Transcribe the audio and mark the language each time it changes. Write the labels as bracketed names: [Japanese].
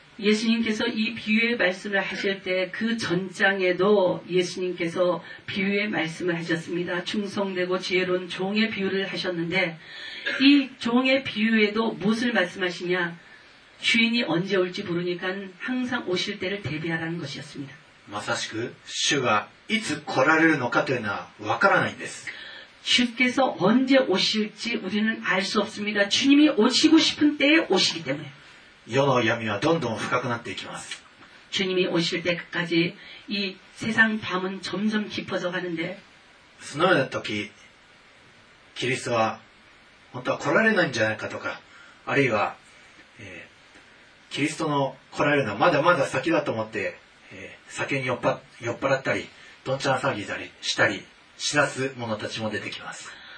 [Korean] イエス님께서이비유의말씀을하실때그전장에도イエス님께서비유의말씀을하셨습니다충성되고지혜로운종의비유를하셨는데이종의비유에도무엇을말씀하시냐주인이언제올지모르니까항상오실때를대비하라는것이었습니다 [Japanese] まさしく主がいつ来られるのかというのはわからないんです [Korean] 주께서언제오실지우리는알수없습니다주님이오시고싶은때에오시기때문에 [Japanese] 世の闇はどんどん深くなっていきます [Korean] 주님이오실때까지이세상밤은점점깊어져가는데 [Japanese] そのような時キリストは本当は来られないんじゃないかとかあるいは、キリストの来られるのはまだまだ先だと思って、酒に酔っ払ったりどんちゃん騒ぎたりしたり知らす者たちも出てきます